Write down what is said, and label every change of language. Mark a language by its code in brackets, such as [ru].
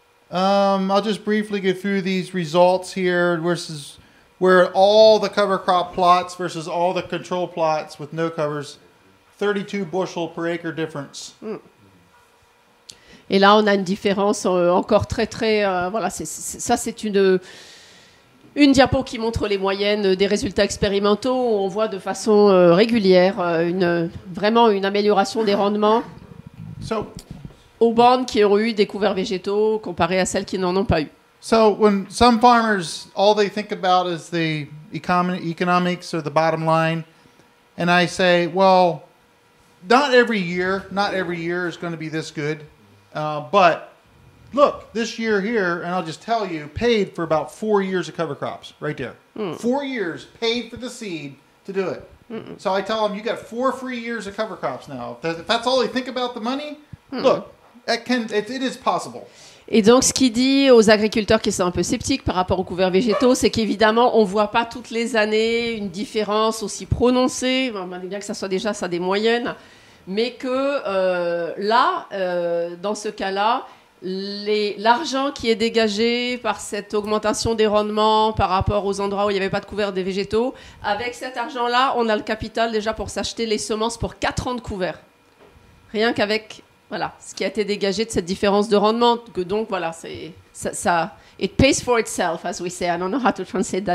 [en] I'll just briefly get through these results here versus where all the cover crop plots versus all the control plots with no covers, 32 bushel per acre difference. Mm. [fr] Et là, on a une différence encore très, très... voilà, c'est une diapo qui montre les moyennes des résultats expérimentaux. On voit de façon régulière une amélioration des rendements aux bandes qui ont eu des couverts végétaux comparé à celles qui n'en ont pas eu. [en] So when some farmers, all they think about is the economics or the bottom line, and I say, well, not every year is going to be this good, but look, this year here, and I'll just tell you, paid for about 4 years of cover crops, right there. Mm. 4 years paid for the seed to do it. Mm-mm. So I tell them, you got 4 free years of cover crops now. If that's all they think about the money, look, it is possible. [fr] Et donc, ce qu'il dit aux agriculteurs qui sont un peu sceptiques par rapport aux couverts végétaux, c'est qu'évidemment, on ne voit pas toutes les années une différence aussi prononcée, bien que ça soit déjà ça des moyennes, mais que dans ce cas-là, l'argent qui est dégagé par cette augmentation des rendements par rapport aux endroits où il n'y avait pas de couvert des végétaux, avec cet argent-là, on a le capital déjà pour s'acheter les semences pour 4 ans de couvert. Rien qu'avec voilà, ce qui a été dégagé de cette différence de rendement. Que donc, voilà, ça [en] it pays for itself, as we say. I don't know how to translate that.